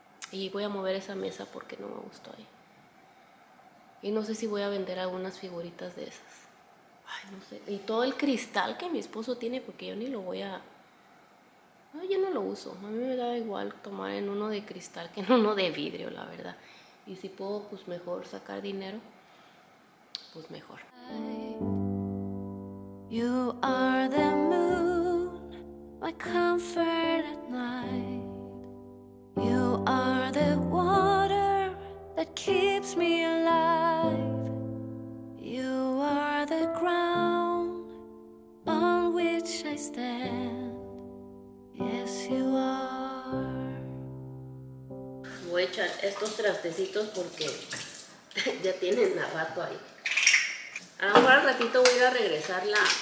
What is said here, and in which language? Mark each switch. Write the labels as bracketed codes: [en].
[es] Y voy a mover esa mesa porque no me gustó ahí. Y no sé si voy a vender algunas figuritas de esas. Ay, no sé. Y todo el cristal que mi esposo tiene, porque yo ni lo voy a... Ay, yo no lo uso. A mí me da igual tomar en uno de cristal que en uno de vidrio, la verdad. Y si puedo, pues mejor sacar dinero. Pues mejor. [en] You are the moon, my comfort at night. You are the water that keeps me alive. You are the ground on which I stand. Yes, you are. [es] Voy a echar estos trastecitos porque ya tienen a rato ahí. A lo mejor al ratito voy a regresar la,